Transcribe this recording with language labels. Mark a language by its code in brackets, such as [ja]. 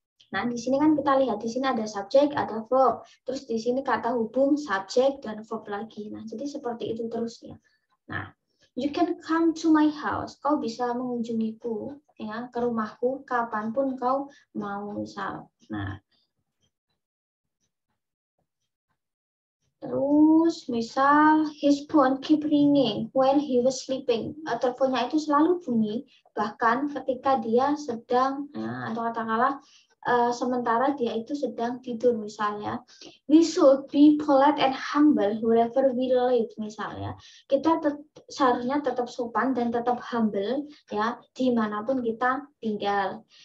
[id] Nah, di sini kan kita lihat di sini ada subjek, ada verb. Terus di sini kata hubung, subjek dan verb lagi. Nah, jadi seperti itu terus ya. Nah, [en] you can come to my house. [id] Kau bisa mengunjungiku ya, ke rumahku kapanpun kau mau, misal. Nah. Terus misal [en] his phone keep ringing when he was sleeping. [id] Teleponnya itu selalu bunyi bahkan ketika dia sedang ya, atau katakanlah sementara dia itu sedang tidur misalnya. [en] We should be polite and humble wherever we live misalnya. [id] Kita seharusnya tetap sopan dan tetap humble ya dimanapun kita tinggal.